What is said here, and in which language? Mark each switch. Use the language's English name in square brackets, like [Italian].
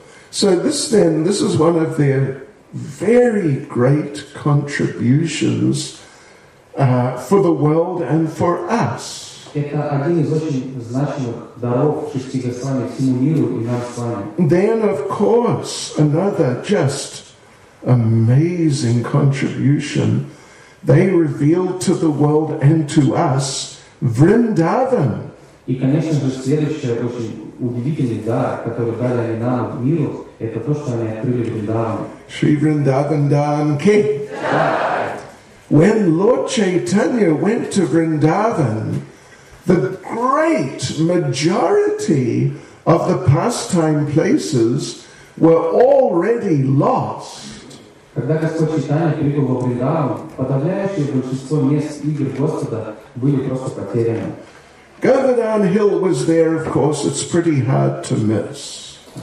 [English] So this is one of their very great contributions for the world and for us. [Russian] Это один из очень значимых даров шести Госвами всему миру и нам с вами. [English] Then, of course, another just amazing contribution. They revealed to the world and to us Vrindavan. [Russian] И, конечно же, следующий очень удивительный дар, который дали они нам, миру, это то, что они открыли Вриндаван. [Hindi] Шри Вриндаван Дам Ки. [English] When Lord Chaitanya went to Vrindavan, the great majority of the pastime places were already lost. [Russian] Когда Господь Чайтанья прибыл во Вриндаван, подавляющее большинство мест игр Господа были просто потеряны. [English] Govardhan Hill was there, of course, it's pretty hard to miss.